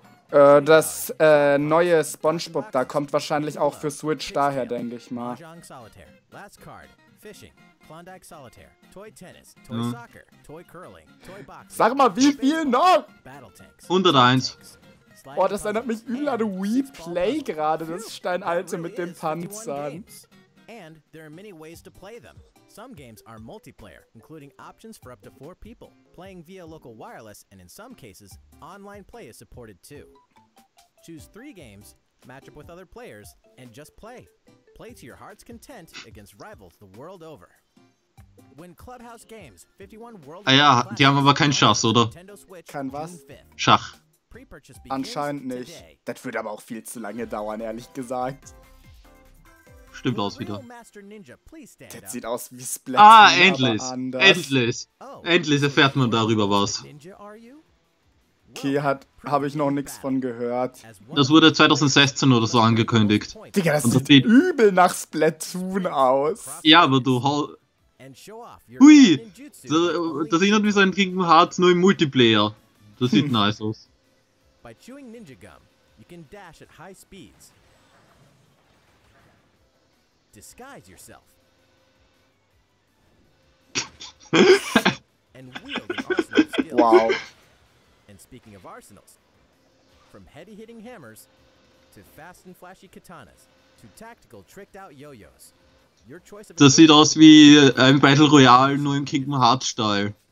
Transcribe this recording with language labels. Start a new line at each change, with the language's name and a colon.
German: Das neue SpongeBob, da kommt wahrscheinlich auch für Switch daher, denke ich mal. Mahjong Solitaire, Last Card, Fishing, Klondike Solitaire, Toy Tennis, Toy Soccer, Toy Curling, Toy Boxing. Sag mal, wie viel noch? 101. Boah, das erinnert mich übel an Wii Play gerade, das ist dein Alte mit den Panzern.
English: And there are many ways to play them. Some games are multiplayer, including options for up to 4 people. Playing via local wireless and in some cases, online play is supported too. Choose 3 games, match up with other players, and just play. Play to your heart's content against rivals the world over. Win Clubhouse Games 51 World.
German: Ah ja, die haben aber keinen Schach, oder? Kein was? Schach. Anscheinend nicht. Das würde aber auch viel zu lange dauern, ehrlich gesagt. Stimmt aus wieder. Das sieht aus wie Splatoon. Ah, endlich! Endlich erfährt man darüber was. Okay, habe ich noch nichts von gehört. Das wurde 2016 oder so angekündigt. Digga, das sieht übel nach Splatoon aus. Ja, aber du Hui! Das erinnert mich so an Kingdom Hearts nur im Multiplayer. Das sieht nice aus.
English: By chewing ninja gum, you can dash at high speeds. Disguise yourself. And wield the arsenal skills. Wow. And speaking of arsenals, from heavy hitting hammers to fast and flashy katanas to tactical tricked out yo-yos, your choice of.
German: Das sieht aus wie ein Battle Royale nur im Kingdom Hearts Style.